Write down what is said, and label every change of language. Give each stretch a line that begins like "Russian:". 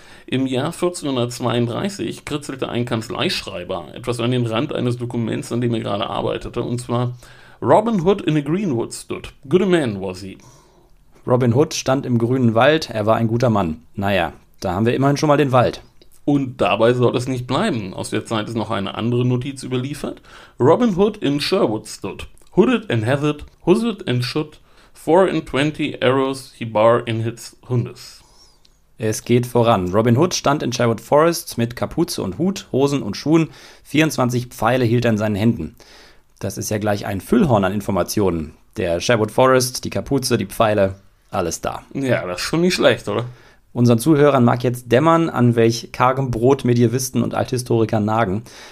German: Im Jahr 1432 kritzelte ein Kanzleischreiber etwas an den Rand eines Dokuments, an dem er gerade arbeitete, und zwar:
English: Robin Hood in a greenwood stood. Good a man was he.
German: Robin Hood stand im grünen Wald, er war ein guter Mann. Naja, da haben wir immerhin schon mal den Wald. Und dabei soll es nicht bleiben. Aus der Zeit ist noch eine andere Notiz überliefert.
English: Robin Hood in Sherwood stood. Hooded and heathered, hoosed and shot, 24 arrows he bar in his hundes.
German: Es geht voran. Robin Hood stand in Sherwood Forest mit Kapuze und Hut, Hosen und Schuhen. 24 Pfeile hielt er in seinen Händen. Das ist ja gleich ein Füllhorn an Informationen. Der Sherwood Forest, die Kapuze, die Pfeile, alles da. Ja, das ist schon nicht schlecht, oder? Unseren Zuhörern mag jetzt dämmern, an welch kargem Brot Medievisten und Althistoriker nagen.